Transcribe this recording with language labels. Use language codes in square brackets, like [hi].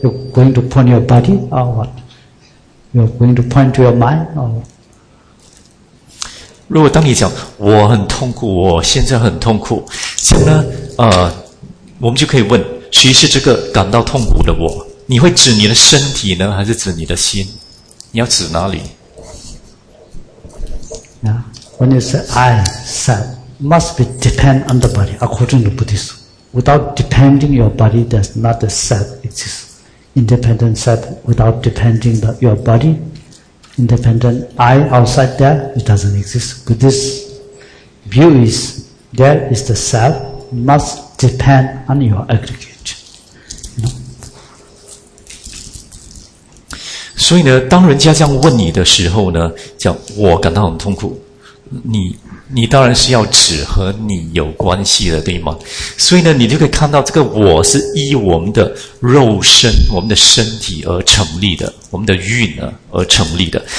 [en] You're going to point your body or what? You're going to point to your mind or? [zh] 如果当你讲我很痛苦，我现在很痛苦，这样呢，我们就可以问：谁是这个感到痛苦的我？你会指你的身体呢，还是指你的心？你要指哪里？ [en] Yeah, when you say I said must be depend on the body, according to Buddhism, without depending your body, there's not the self exists. Independent self without depending the, your body. Independent I outside there, it doesn't exist. But this view is there is the self must depend on your aggregate. No? [zh] 所以呢，当人家这样问你的时候呢，叫我感到很痛苦，你当然是要指和你有关系的，对吗？所以呢，你就可以看到这个我是依我们的肉身、我们的身体而成立的，我们的运而成立的。